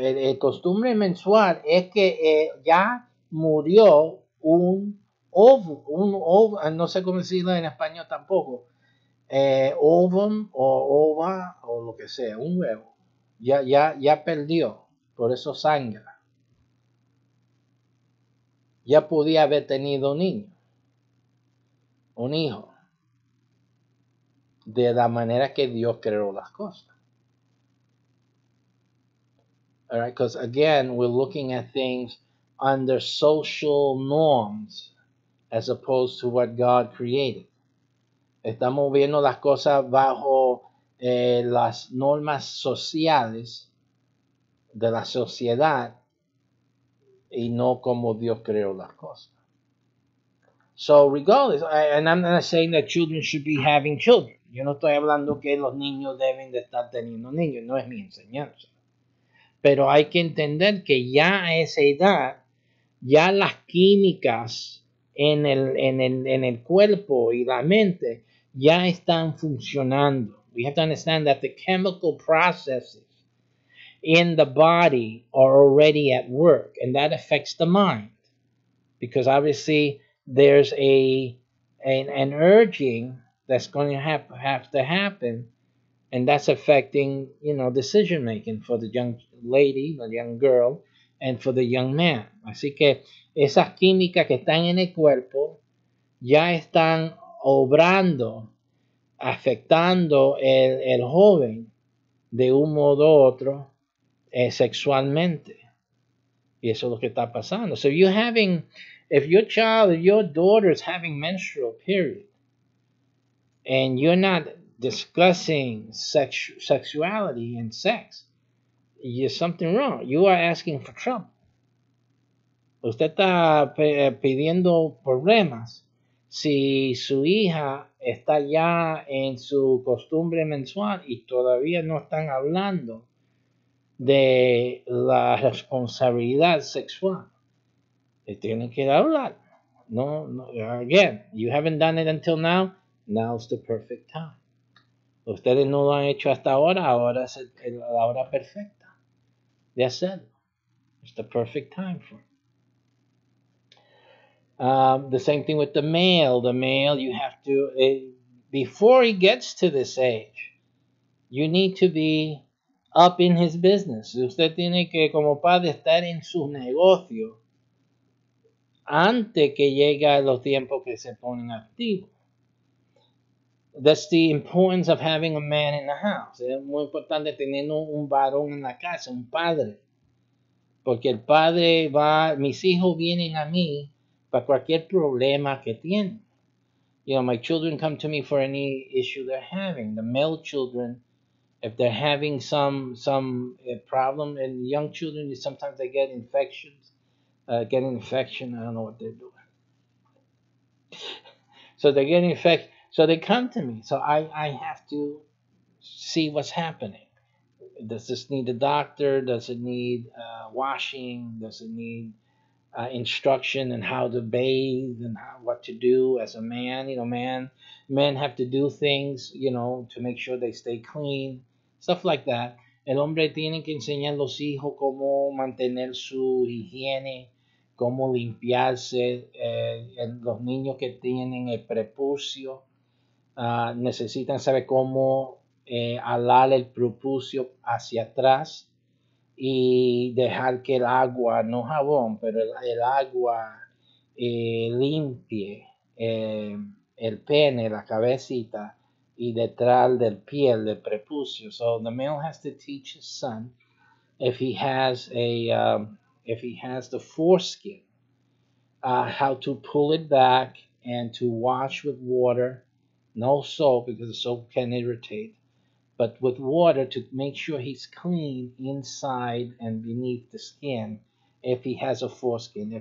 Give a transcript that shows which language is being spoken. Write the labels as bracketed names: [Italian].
[Spanish] El costumbre mensual es que ya murió un ovum, no sé cómo decirlo en español tampoco, ovum o ova o lo que sea, un huevo, ya perdió, por eso sangra. Ya podía haber tenido un niño, un hijo. de la manera que Dios creó las cosas. [English] All right, because again, we're looking at things under social norms as opposed to what God created. [Spanish] Estamos viendo las cosas bajo las normas sociales de la sociedad y no como Dios creó las cosas. [English] So regardless, and I'm not saying that children should be having children. [Spanish] Yo no estoy hablando que los niños deben de estar teniendo niños. No es mi enseñanza. Pero hay que entender que ya a esa edad, ya las químicas en el cuerpo y la mente ya están funcionando. [English] We have to understand that the chemical processes in the body are already at work, and that affects the mind. Because obviously, there's an urging that's going to have to happen, and that's affecting, you know, decision making for the young lady, the young girl, and for the young man. [Spanish] Así que esas químicas que están en el cuerpo ya están obrando, afectando el joven de un modo u otro sexualmente. Y eso es lo que está pasando. [English] So you having, if your child, your daughter is having menstrual period, and you're not discussing sexuality and sex, there's something wrong. You are asking for trouble. [Spanish] Usted está pidiendo problemas si su hija está ya en su costumbre mensual y todavía no están hablando de la responsabilidad sexual. Y tienen que hablar. [English] No, no, again, you haven't done it until now. Now's the perfect time. [Spanish] Ustedes no lo han hecho hasta ahora. Ahora es la hora perfecta de hacerlo. [English] It's the perfect time for it. The same thing with the male. The male, you have to, before he gets to this age, you need to be up in his business. [Spanish] Usted tiene que, como padre, estar en su negocio antes que llegue a los tiempos que se ponen activos. [English] That's the importance of having a man in the house. [Spanish] Es muy importante tener un varón en la casa, un padre. Porque el padre va, mis hijos vienen a mí para cualquier problema que tiene. [English] You know, my children come to me for any issue they're having. The male children, if they're having some problem, and young children, sometimes they get infections. Get an infection, I don't know what they're doing. So they get infected. So they come to me. So I have to see what's happening. Does this need a doctor? Does it need washing? Does it need instruction and how to bathe and what to do as a man? You know, men have to do things, you know, to make sure they stay clean, stuff like that. [Spanish] El hombre tiene que enseñar a los hijos cómo mantener su higiene, cómo limpiarse, en los niños que tienen el prepucio, necesitan saber cómo alar el prepucio hacia atrás y dejar que el agua, no jabón, pero el agua limpie el pene, la cabecita, y detrás del piel, del prepucio. [English] So the male has to teach his son, if he has the foreskin, how to pull it back and to wash with water, no soap, because the soap can irritate, but with water to make sure he's clean inside and beneath the skin if he has a foreskin.